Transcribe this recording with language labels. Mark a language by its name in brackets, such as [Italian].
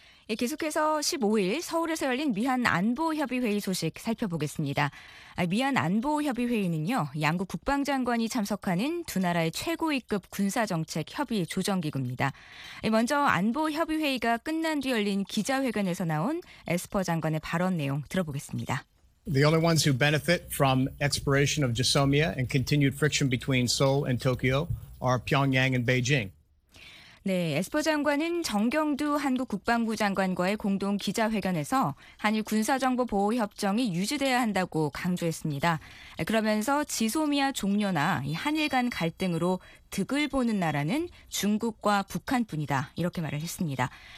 [Korean] 예, 계속해서 15일 서울에서 열린 미한 안보협의회의 소식 살펴보겠습니다. 미한 안보협의회의는요, 양국 국방장관이 참석하는 두 나라의 최고위급 군사정책협의 조정기구입니다. 먼저 안보협의회의가 끝난 뒤 열린 기자회견에서 나온 에스퍼 장관의 발언 내용 들어보겠습니다. [English] The only ones who benefit from expiration of JSOMIA and continued friction between Seoul and Tokyo are Pyongyang and Beijing. [Korean] 네, 에스퍼 장관은 정경두 한국 국방부 장관과의 공동 기자회견에서 한일 군사정보보호협정이 유지돼야 한다고 강조했습니다. 그러면서 지소미아 종료나 한일 간 갈등으로 득을 보는 나라는 중국과 북한뿐이다 이렇게 말을 했습니다.